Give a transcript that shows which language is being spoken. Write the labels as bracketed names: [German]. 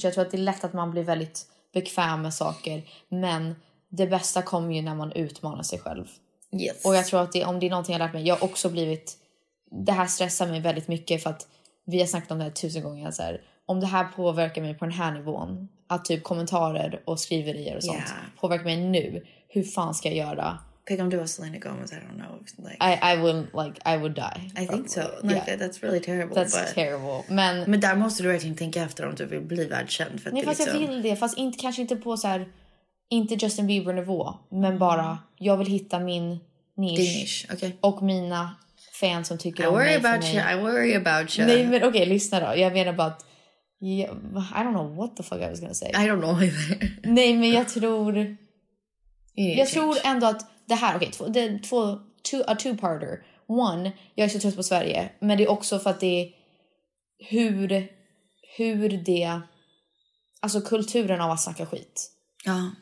[Swedish] Jag tror att det är lätt att man blir väldigt bekväm med saker. Men det bästa kommer ju när man utmanar sig själv. [English] Yes. [Swedish] Och jag tror att om det är någonting jag har lärt mig, jag har också blivit, det här stressar mig väldigt mycket för att vi har snackat om det här 1000 gånger. Så här, om det här påverkar mig på den här nivån, att typ kommentarer och skriverier och sånt påverkar mig nu, hur fan ska jag göra? [English] Pick [Swedish] om du var [English] Selena Gomez, I don't know. I would die. Probably. I think so. Like, yeah. That's really terrible. That's terrible. [Swedish] Men där måste du verkligen tänka efter om du vill bli världskänd. För nej, fast jag vill det, fast kanske inte på så här. Inte Justin Bieber-nivå, men bara jag vill hitta min nisch. [English] Okay. [Swedish] Och mina fan som tycker om mig. [English] I worry about you. [Swedish] Nej, men okej, lyssna då. Jag menar bara att... [English] I don't know what the fuck I was gonna say. I don't know either. [Swedish] Nej, men jag tror... Jag tror ändå att det här... Okej, okay, det är [English] a two-parter. One, [Swedish] jag är så trött på Sverige. Men det är också för att det är... Hur det... Alltså kulturen av att snacka skit. Ja.